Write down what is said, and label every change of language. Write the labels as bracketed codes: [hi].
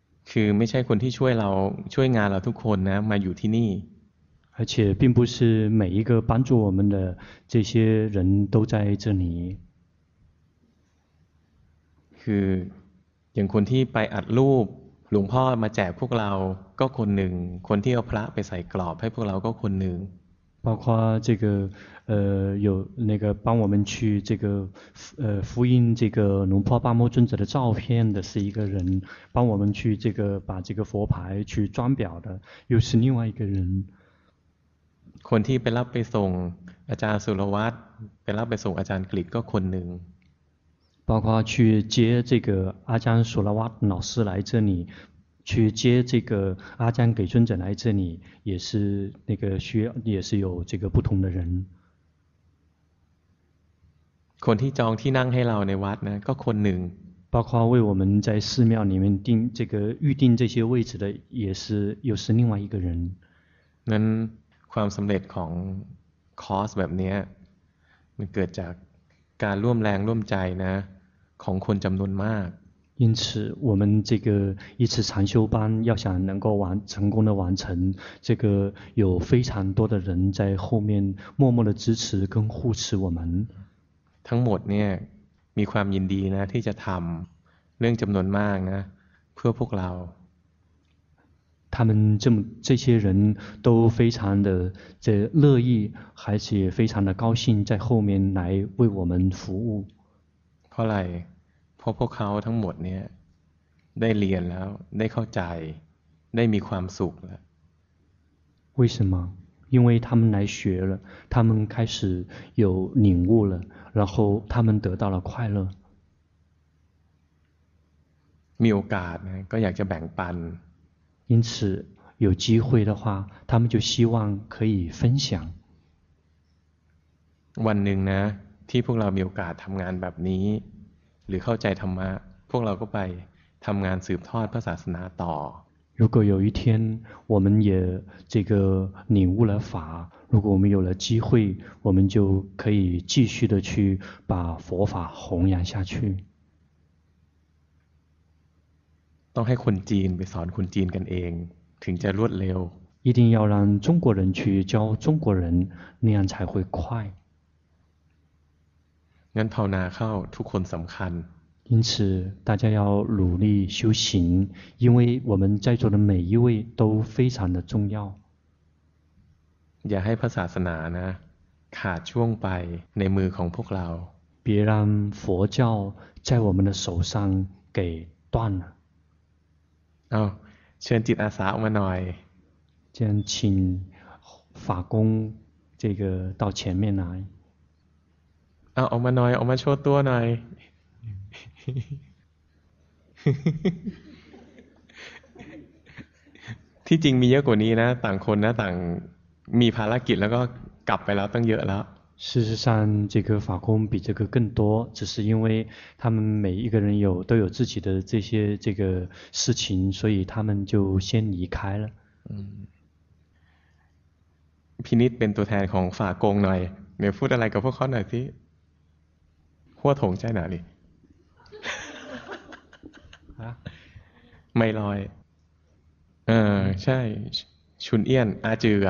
[th] คือไม่ใช่คนที่ช่วยเราช่วยงานเราทุกคนนะมาอยู่ที่นี่ [zh] 而且并不是每一个帮助我们的这些人都在这里， [th] คืออย่างคนที่ไปอัดรูปหลวงพ่อมาแจกพวกเราก็คนหนึ่งคนที่เอาพระไปใส่กรอบให้พวกเราก็คนหนึ่ง [zh] 包括这个有那个帮我们去这个复印这个龙婆巴摩尊者的照片的是一个人，帮我们去这个把这个佛牌去装裱的又是另外一个人。 [th] คนที่ไปรับไปส่งอาจารย์สุรวัตรไปรับไปส่งอาจารย์กฤตก็คนหนึ่ง [zh] 包括去接这个阿江苏拉瓦老师来这里，去接这个阿江给尊者来这里，也是那个需要，也是有这个不同的人。 [th] คนที่จองที่นั่งให้เราในวัดนะก็คนหนึ่ง [zh] 包括为我们在寺庙里面定这个预定这些位置的，也是又是另外一个人。 [th] นั้นความสำเร็จของคอร์สแบบนี้มันเกิดจากการร่วมแรงร่วมใจนะของคนจำนวนมาก [zh] 因此我们这个一次禅修班要想能够完成功的完成，这个有非常多的人在后面默默的支持跟护持我们。 [th] ทั้งหมดเนี่ยมีความยินดีนะที่จะทำเรื่องจำนวนมากนะเพื่อพวกเรา [zh] 他们这些人都非常的这乐意，而且非常的高兴在后面来为我们服务。 [th] เพราะอะไร เพราะพวกเขาทั้งหมดเนี่ยได้เรียนแล้วได้เข้าใจได้มีความสุขแล้ว [zh] 为什么？因为他们来学了，他们开始有领悟了，然后他们得到了快乐。 [th] มีโอกาสนะก็อยากจะแบ่งปัน [zh] 因此有机会的话他们就希望可以分享 [th] วันหนึ่งนะที่พวกเรามีโอกาสทำงานแบบนี้หรือเข้าใจธรรมะพวกเราก็ไปทำงานสืบทอดพระศาสนาต่อ [zh] 如果有一天我们也这个领悟了法如果我们有了机会我们就可以继续的去把佛法弘扬下去 [th] ต้องให้คนจีนไปสอนคนจีนกันเองถึงจะรวดเร็ว [zh] 一定要让中国人去教中国人那样才会快 [th] งั้นภาวนาเข้าทุกคนสำคัญ [zh] 因此大家要努力修行因为我们在座的每一位都非常的重要 [th] อย่าให้พระศาสนานะขาดช่วงไปในมือของพวกเรา [zh] 别让佛教在我们的手上给断了 [th] เชิญจิตอาสามาหน่อย [zh] จะ请法工这个到前面来 [th] เอาออกมาหน่อยออกมาโชว์ตัวหน่อยที่จริงมีเยอะกว่านี้นะต่างคนนะต่างมีภารกิจแล้วก็กลับไปแล้วตั้งเยอะแล้ว [zh] 事实上这个法工比这个更多只是因为他们每一个人有都有自己的这些这个事情所以他们就先离开了 [th] พินิจเป็นตัวแทนของฝากงหน่อยเดี๋ยวพูดอะไรกับพวกเขาหน่อยสิหัวถงใจหน่าดิไม่ลอยใช่ชุนเอี้ยนอาจืออ